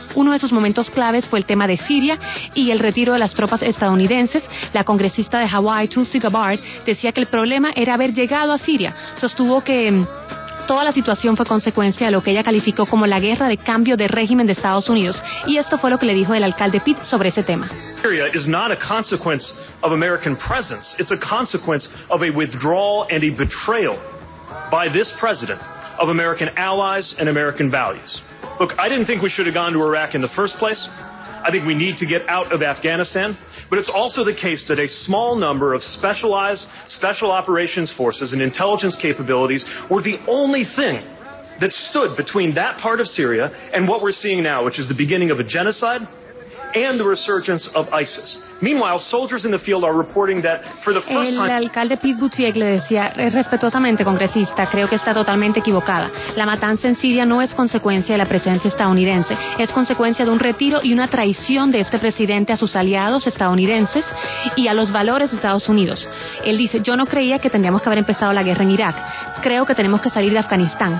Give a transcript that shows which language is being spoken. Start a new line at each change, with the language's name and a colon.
Spanish: Uno de sus momentos claves fue el tema de Siria y el retiro de las tropas estadounidenses. La congresista de Hawái, Gabbard, decía que el problema era haber llegado a Siria. Sostuvo que toda la situación fue consecuencia de lo que ella calificó como la guerra de cambio de régimen de Estados Unidos. Y esto fue lo que le dijo el alcalde Pitt sobre ese tema.
English: Syria is not a consequence of American presence. It's a consequence of a withdrawal and a betrayal by this president of American allies and American values. Look, I didn't think we should have gone to Iraq in the first place. I think we need to get out of Afghanistan, but it's also the case that a small number of specialized special operations forces and intelligence capabilities were the only thing that stood between that part of Syria and what we're seeing now, which is the beginning of a genocide and the resurgence of ISIS. Meanwhile, soldiers in the field are reporting that for the first time...
Spanish: El alcalde Pete Buttigieg le decía respetuosamente, congresista, creo que está totalmente equivocada. La matanza en Siria no es consecuencia de la presencia estadounidense. Es consecuencia de un retiro y una traición de este presidente a sus aliados estadounidenses y a los valores de Estados Unidos. Él dice, yo no creía que tendríamos que haber empezado la guerra en Irak. Creo que tenemos que salir de Afganistán.